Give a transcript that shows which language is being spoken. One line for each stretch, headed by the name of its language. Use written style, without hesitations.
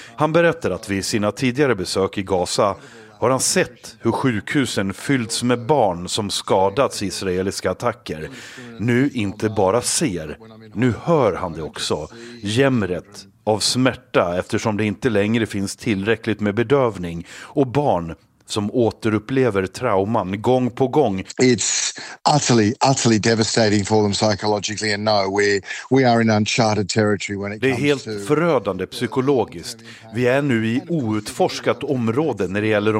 Swedish: Han berättar att vid sina tidigare besök i Gaza har han sett hur sjukhusen fyllts med barn som skadats i israeliska attacker. Nu inte bara ser, nu hör han det också. Jämret av smärta eftersom det inte längre finns tillräckligt med bedövning och barn som återupplever trauman gång på gång.
English: It's utterly, utterly devastating for them psychologically and no, we are in uncharted territory when it comes to...
Swedish: Det är helt förödande psykologiskt. Vi är nu i outforskat område när det gäller de